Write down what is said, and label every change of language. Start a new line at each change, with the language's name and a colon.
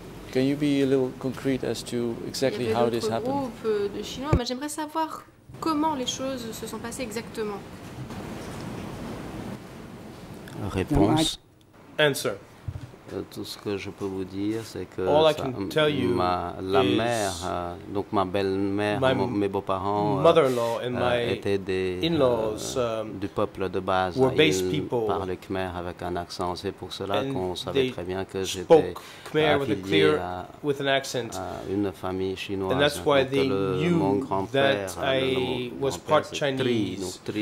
English: Can you be a little concrete as to exactly how this happened?
French: De Chinois, mais j'aimerais savoir comment les choses se sont passées exactement. Réponse. Answer. Tout ce que je peux vous dire, c'est que ma belle-mère, mes beaux-parents étaient du peuple de base. Ils parlaient Khmer avec un accent. C'est pour cela qu'on savait très bien que j'étais affilié à une famille chinoise.
English: And that's why they knew that I was part Chinese.